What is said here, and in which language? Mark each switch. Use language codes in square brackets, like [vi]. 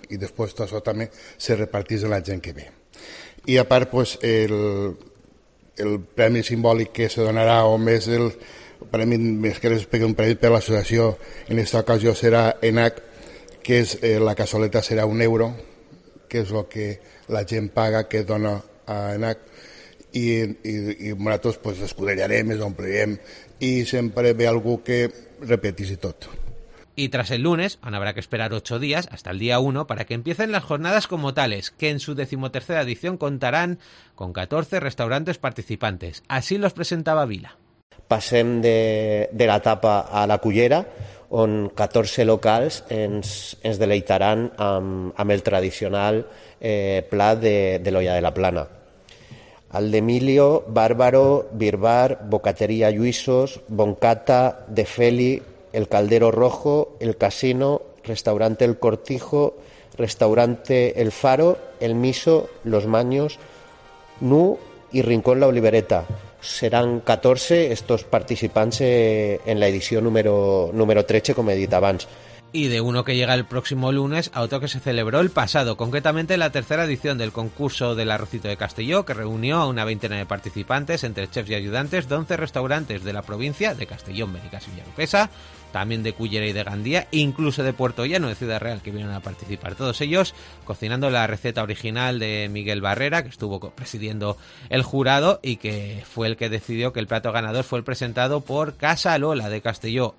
[ca] I després tot això també se repartís a la gent que ve. I a part, pues, el premi simbòlic que se donarà, o més el premi, més que les pegui un premi per l'associació, en aquesta ocasió serà ENAC, que és, la cassoleta serà 1 euro, que és el que la gent paga, que dona a ENAC, i nosaltres, pues, escudellarem, es omplirem, i sempre ve algú que repetisi tot. [es] Y tras el lunes, aún habrá que esperar 8 días, hasta el día 1, para que empiecen las jornadas como tales, que en su 13ª edición contarán con 14 restaurantes participantes. Así los presentaba Vila. [ca] Passem de la tapa a la cullera, on 14 locals ens deleitaran amb el tradicional plat de l'olla de la Plana. El d'Emilio, Bárbaro, Birbar, Bocateria Lluïsos, Boncata, De Feli, El Caldero Rojo, El Casino, Restaurante El Cortijo, Restaurante El Faro, El Miso, Los Maños, Nu i Rincón La Olivereta. Seran 14 estos participants en la edició número 13, com he dit abans. [es] Y de uno que llega el próximo lunes a otro que se celebró el pasado, concretamente la tercera edición del concurso del Arrocito de Castelló, que reunió a una veintena de participantes, entre chefs y ayudantes, de 11 restaurantes de la provincia de Castellón, Benicàssim y Villaluquesa, también de Cullera y de Gandía, incluso de Puerto Llano, de Ciudad Real, que vinieron a participar todos ellos, cocinando la receta original de Miguel Barrera, que estuvo presidiendo el jurado y que fue el que decidió que el plato ganador fue el presentado por Casa Lola de Castelló.